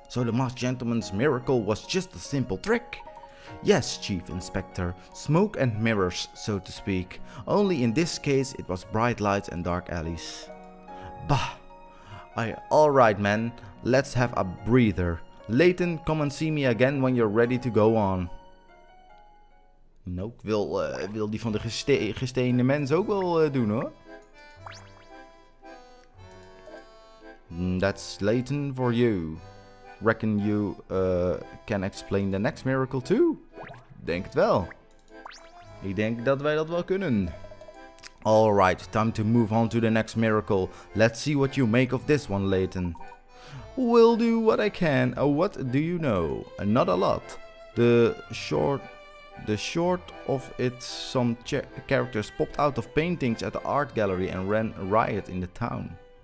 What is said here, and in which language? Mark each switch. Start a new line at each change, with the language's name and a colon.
English: So the masked gentleman's miracle was just a simple trick? Yes, Chief Inspector. Smoke and mirrors, so to speak. Only in this case, it was bright lights and dark alleys. Bah! Alright, man. Let's have a breather. Layton, come and see me again when you're ready to go on.
Dutch: Nou, ik wil die van de gestene mens ook wel doen, hoor.
English: That's Layton for you. Reckon you can explain the next miracle too?
Dutch: Denk het wel. Ik denk dat wij dat wel kunnen.
English: Alright, time to move on to the next miracle. Let's see what you make of this one, Layton. Will do what I can. What do you know? Not a lot. The short of it, some characters popped out of paintings at the art gallery and ran riot in the town.